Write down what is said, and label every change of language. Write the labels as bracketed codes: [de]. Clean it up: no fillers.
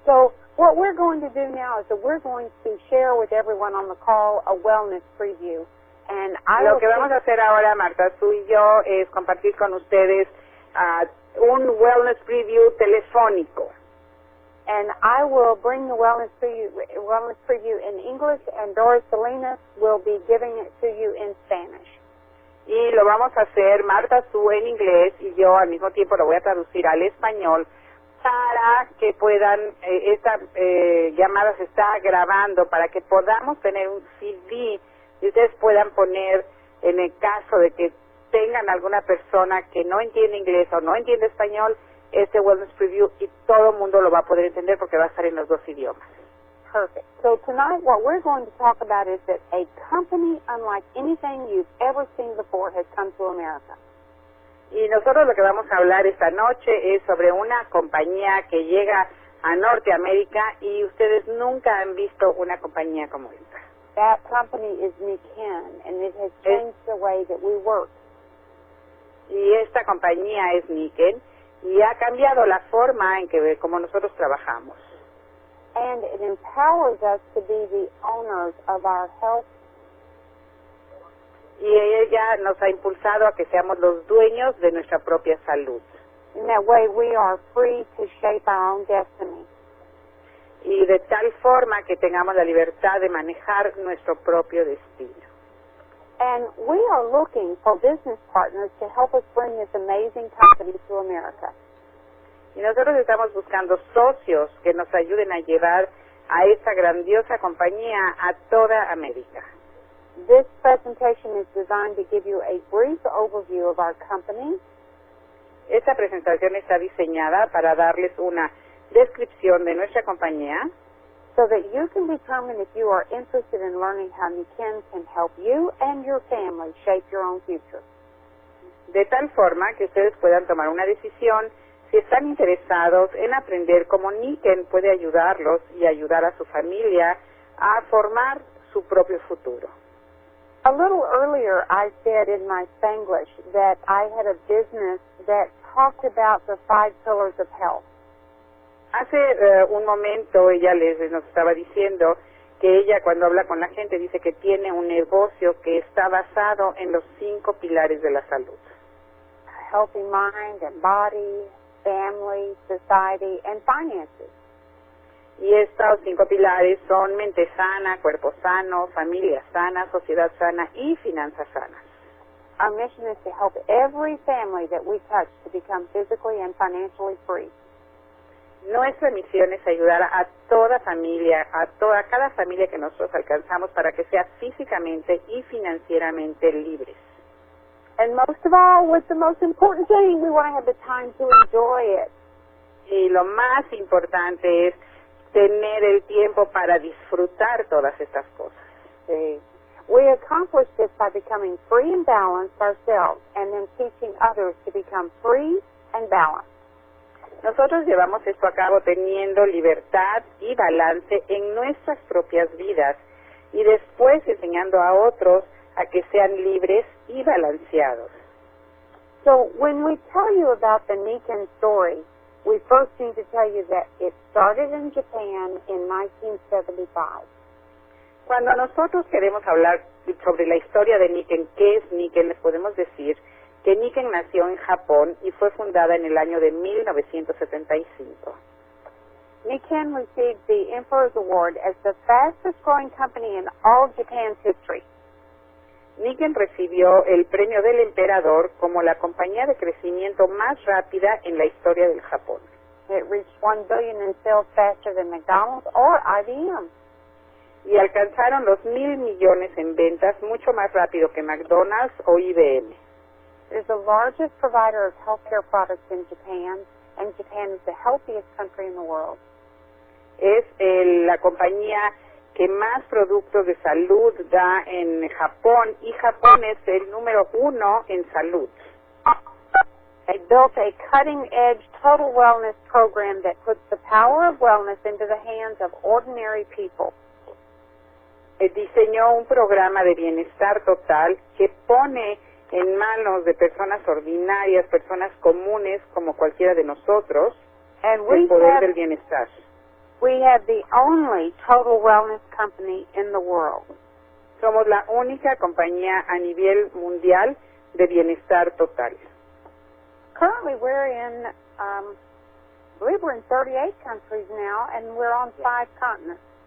[en] So what we're going to do now is that we're going to share with everyone on the call a wellness preview. And I [es] lo que vamos a hacer ahora, Marta, tú y yo, es compartir con ustedes un wellness preview telefónico. [en] And I will bring the wellness preview in English, and Doris Salinas will be giving it to you in Spanish. [es] Y lo vamos a hacer, Marta, tú en inglés, y yo al mismo tiempo lo voy a traducir al español, para que puedan, esta llamada se está grabando, para que podamos tener un CD y ustedes puedan poner, en el caso de que tengan alguna persona que no entiende inglés o no entiende español, este wellness preview, y todo el mundo lo va a poder entender porque va a estar en los dos idiomas. [en] Perfect. So tonight what we're going to talk about is that a company unlike anything you've ever seen before has come to America. [es] Y nosotros lo que vamos a hablar esta noche es sobre una compañía que llega a Norteamérica y ustedes nunca han visto una compañía como esta. [en] That company is Nikken, and it has changed the way that we work. [es] Y esta compañía es Nikken, y ha cambiado la forma en que como nosotros trabajamos. [en] And it empowers us to be the owners of our health. [es] Y ella nos ha impulsado a que seamos los dueños de nuestra propia salud. [en] In that way, we are free to shape our own destiny. [es] Y de tal forma que tengamos la libertad de manejar nuestro propio destino. [en] And we are looking for business partners to help us bring this amazing company to America. [es] Y nosotros estamos buscando socios que nos ayuden a llevar a esta grandiosa compañía a toda América. [en] This presentation is designed to give you a brief overview of our company. [es] Esta presentación está diseñada para darles una descripción de nuestra compañía. [en] So that you can determine if you are interested in learning how Nikken can help you and your family shape your own future. [es] De tal forma que ustedes puedan tomar una decisión si están interesados en aprender cómo Nikken puede ayudarlos y ayudar a su familia a formar su propio futuro. [en] A little earlier I said in my Spanglish that I had a business that talked about the five pillars of health. [es] Hace un momento ella nos estaba diciendo que ella cuando habla con la gente dice que tiene un negocio que está basado en los cinco pilares de la salud. [en] A healthy mind and body, family, society and finances. [es] Y estos cinco pilares son mente sana, cuerpo sano, familia sana, sociedad sana y finanzas sanas. [en] Our mission is to help every family that we touch to become physically and financially free. [es] Nuestra misión es ayudar a toda familia, a cada familia que nosotros alcanzamos para que sea físicamente y financieramente libres. [en] And most of all, what's the most important thing? We want to have the time to enjoy it. [es] Y lo más importante es tener el tiempo para disfrutar todas estas cosas. Sí. [en] We accomplish this by becoming free and balanced ourselves and then teaching others to become free and balanced. [es] Nosotros llevamos esto a cabo teniendo libertad y balance en nuestras propias vidas y después enseñando a otros a que sean libres y balanceados. [en] So when we tell you about the Nikken story, we first need to tell you that it started in Japan in 1975. [es] Cuando nosotros queremos hablar sobre la historia de Nikken, ¿qué es Nikken? Les podemos decir que Nikken nació en Japón y fue fundada en el año de 1975. [en] Nikken received the Emperor's Award as the fastest growing company in all Japan's history. [es] Nikken recibió el premio del emperador como la compañía de crecimiento más rápida en la historia del Japón. [en] It reached $1 billion in sales faster than McDonald's or IBM. [es] y alcanzaron los 1,000 millones en ventas mucho más rápido que McDonald's o IBM. [en] It is the largest provider of healthcare products in Japan, and Japan is the healthiest country in the world. [es] Es la compañía que más productos de salud da en Japón, y Japón es el número uno en salud. [en] They built a cutting-edge total wellness program that puts the power of wellness into the hands of ordinary people. [es] Diseñó un programa de bienestar total que pone en manos de personas ordinarias, personas comunes como cualquiera de nosotros, [en] and [es] el poder del bienestar. [en] We have the only total wellness company in the world. [es] Somos la única compañía a nivel mundial de bienestar total. [en] Currently we're in, we're in 38 countries now, and we're on five continents.